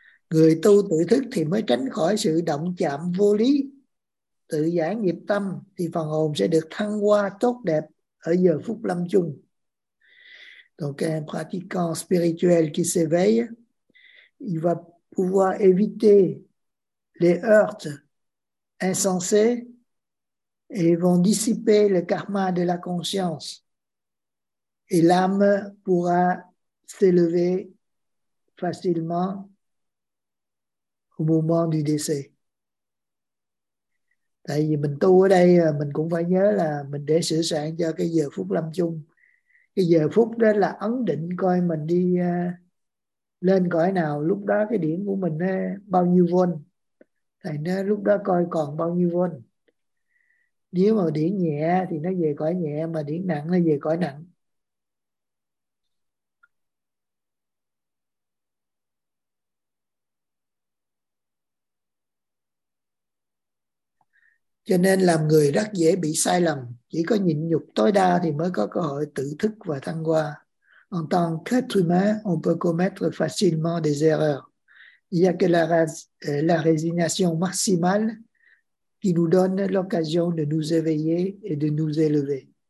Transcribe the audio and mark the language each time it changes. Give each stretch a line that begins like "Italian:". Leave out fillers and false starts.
Vietnamese: Người tu tự thức thì mới tránh khỏi sự động chạm vô lý, tự giải nghiệp tâm thì phần hồn sẽ được thăng hoa tốt đẹp ở giờ phút lâm chung.
French: Donc un pratiquant spirituel qui s'éveille, il va pouvoir éviter les heurts insensés et vont dissiper le karma de la conscience. Et l'âme pourra s'élever facilement au moment du décès.
Vietnamese: Tại vì mình tu ở đây mình cũng phải nhớ là mình để sửa soạn cho cái giờ phút lâm chung. Cái giờ phút đó là ấn định coi mình đi lên cõi nào, lúc đó cái điểm của mình bao nhiêu volt. Thầy nói lúc đó coi còn bao nhiêu volt. Nếu mà điểm nhẹ thì nó về cõi nhẹ, mà điểm nặng nó về cõi nặng. Cho nên làm người rất dễ bị sai lầm. Chỉ có nhịn nhục tối đa thì mới có cơ hội tự thức và thăng hoa.
French: En tant qu'être humain, on peut commettre facilement des erreurs. Il n'y a que la résignation maximale qui nous donne l'occasion de nous éveiller et de nous élever.